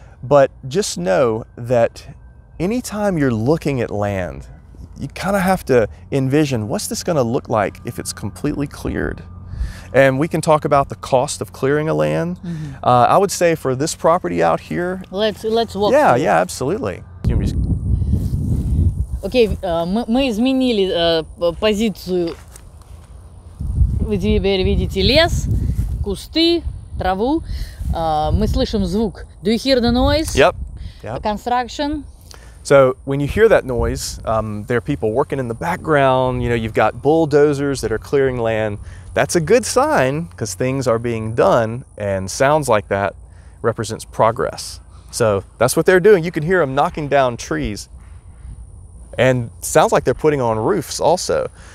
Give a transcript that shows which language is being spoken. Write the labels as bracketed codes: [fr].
[en] But just know that anytime you're looking at land, you kind of have to envision, what's this going to look like if it's completely cleared? And we can talk about the cost of clearing a land. Mm-hmm. I would say for this property out here. Let's walk. Yeah, through. Yeah, absolutely. [ru] Okay, мы изменили позицию. Вы теперь видите лес, кусты, траву. Мы слышим звук. [en] Do you hear the noise? Yep. Yeah. Construction. So when you hear that noise, there are people working in the background. You know, you've got bulldozers that are clearing land. That's a good sign, because things are being done, and sounds like that represents progress. So that's what they're doing. You can hear them knocking down trees, and sounds like they're putting on roofs also.